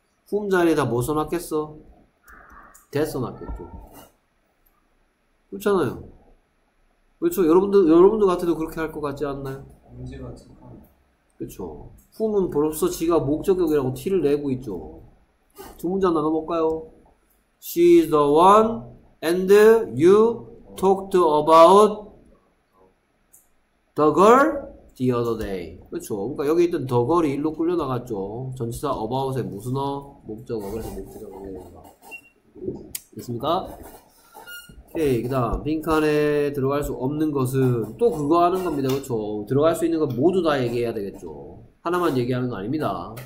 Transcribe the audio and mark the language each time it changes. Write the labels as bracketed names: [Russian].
[Korean] 훔 자리에다 뭐 써놨겠어? 대 써놨겠죠. 그렇잖아요. 그쵸? 여러분들 같아도 그렇게 할것 같지 않나요? 문제가 직함. 그쵸? 훔은 벌써 지가 목적격이라고 티를 내고 있죠. 두 문장 나눠볼까요? [English] She's the one and you talked about the girl the other day. [Korean] 그렇죠. 그러니까 여기 있던 [English] the girl [Korean] 이 일로 끌려나갔죠. 전치사 about의 무슨 어? 목적어. 그래서 목적어가 됩니다. 됐습니까? 오케이. 그 다음 빈칸에 들어갈 수 없는 것은 또 그거 하는 겁니다. 그렇죠. 들어갈 수 있는 건 모두 다 얘기해야 되겠죠. 하나만 얘기하는 거 아닙니다.